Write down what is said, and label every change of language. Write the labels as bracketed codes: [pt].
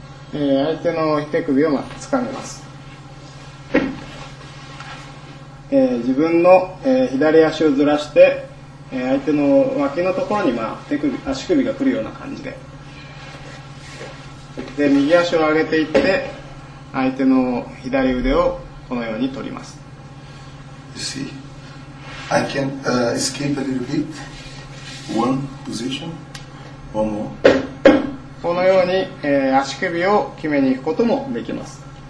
[ja] 手首を掴みます、自分の、左足をずらして、相手の脇のところに、まあ、足首が来るような感じ で右足を上げていって相手の左腕をこのように取ります。 [en] You see, I can escape a little bit. One position, one more. [ja] このように、足首を決めに行くこともできます。